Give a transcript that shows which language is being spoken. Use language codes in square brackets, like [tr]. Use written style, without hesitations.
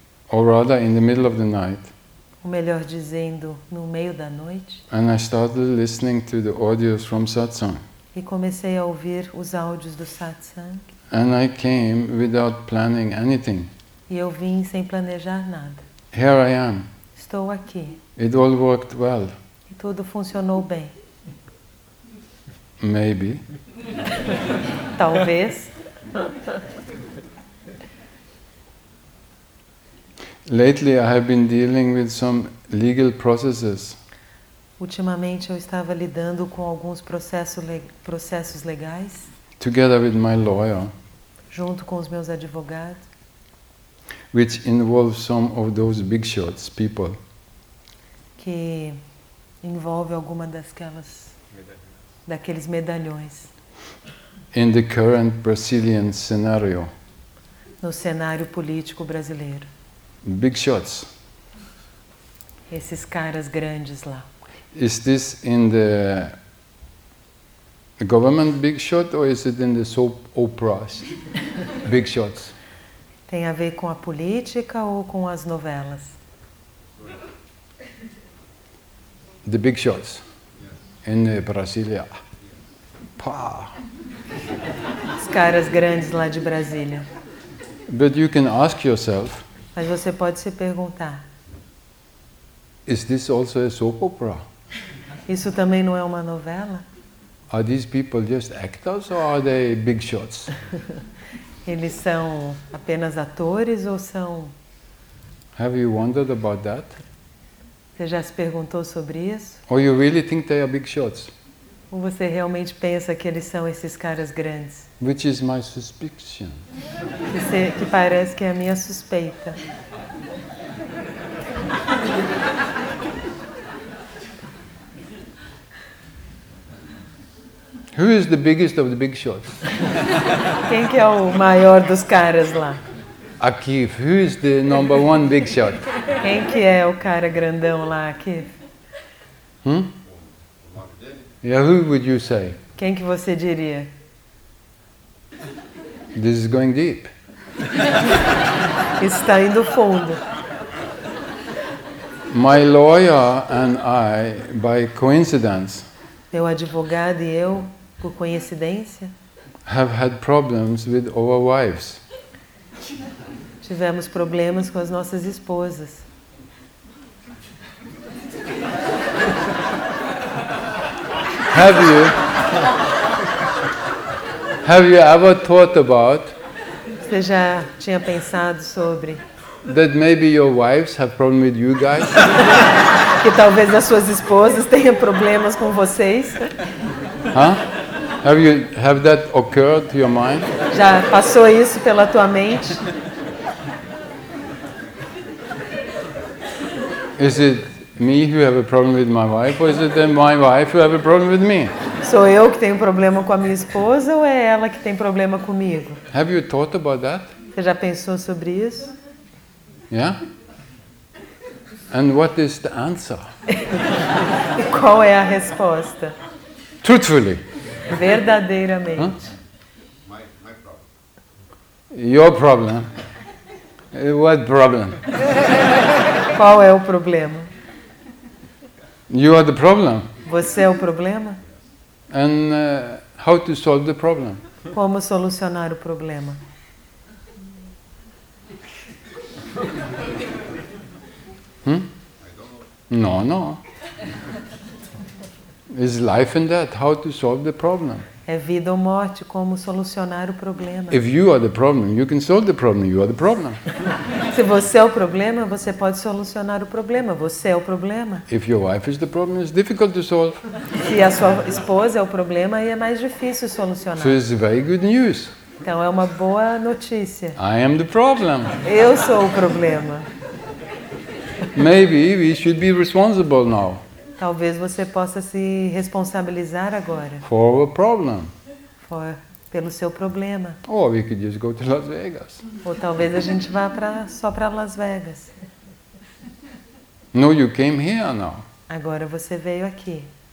[en] Or rather, in the middle of the night. [pt] Ou melhor dizendo, no meio da noite. [en] And I started listening to the audios from satsang. [pt] E comecei a ouvir os áudios do satsang. [en] And I came without planning anything. [pt] E eu vim sem planejar nada. [en] Here I am. [pt] Estou aqui. [en] It all worked well. [pt] E tudo funcionou bem. [en] Maybe. [pt] Talvez. [en] Lately I have been dealing with some legal processes. [pt] Ultimamente eu estava lidando com alguns processos legais. [en] Together with my lawyer. [pt] Junto com os meus advogados. [en] Which involve some of those big shots people. [pt] Que envolve alguma daquelas daqueles medalhões. [en] In the current Brazilian scenario. [pt] No cenário político brasileiro. [en] Big shots. [pt] Esses caras grandes lá. [en] Is this in the government big shot or is it in the soap operas? Big shots. [pt] Tem a ver com a política ou com as novelas? [en] The big shots. Yes. In Brasília. Pá. [pt] Os caras grandes lá de Brasília. [en] But you can ask yourself. [pt] Mas você pode se perguntar. [en] Is this also a soap opera? [pt] Isso também não é uma novela? [en] Are these people just actors or are they big shots? [pt] Eles são apenas atores ou são? [en] Have you wondered about that? [pt] Você já se perguntou sobre isso? [en] Or you really think they are big shots? [pt] Ou você realmente pensa que eles são esses caras grandes? [en] Which is my suspicion. [pt] Que parece que é a minha suspeita. [en] Who is the biggest of the big shots? [pt] Quem que é o maior dos caras lá? [en] Akif, who is the number one big shot? [pt] Quem que é o cara grandão lá, Akif? [en] Yeah, who would you say? [pt] Quem que você diria? [en] This is going deep. [pt] Está indo fundo. [en] My lawyer and I, by coincidence. [pt] Meu advogado e eu, por coincidência. [en] Have had problems with our wives. [pt] Tivemos problemas com as nossas esposas. [en] Have you ever thought about? [pt] Você já tinha pensado sobre? [en] That maybe your wives have problem with you guys? [pt] Que talvez as suas esposas tenham problemas com vocês? Huh? [en] Have that occurred to your mind? [pt] Já passou isso pela tua mente? [en] Is it me who have a problem with my wife, or is it then my wife who have a problem with me? [pt] Sou eu que tenho problema com a minha esposa ou é ela que tem problema comigo? [en] Have you thought about that? [pt] Você já pensou sobre isso? [en] Yeah. And what is the answer? [pt] E qual é a resposta? [en] Truthfully. [pt] Verdadeiramente. Huh? [en] My problem. Your problem. What problem? [pt] Qual é o problema? [en] You are the problem. [pt] Você é o problema? [en] And how to solve the problem? [pt] Como solucionar o problema? [en] No, no. It's life and death. How to solve the problem? [pt] É vida ou morte. Como solucionar o problema? [en] If you are the problem, you can solve the problem. You are the problem. [pt] Se você é o problema, você pode solucionar o problema. Você é o problema. [en] If your wife is the problem, it's difficult to solve. [pt] Se a sua esposa é o problema, aí é mais difícil solucionar. [en] So it's very good news. [pt] Então é uma boa notícia. [en] I am the problem. [pt] Eu sou o problema. [en] Maybe we should be responsible now. [pt] Talvez você possa se responsabilizar agora. [en] For a problem. [pt] Pelo seu problema. [en] Or we could just go to Las Vegas. [pt] Ou talvez a gente vá só para Las Vegas. [en] No, you came here now. [pt] Agora você veio aqui.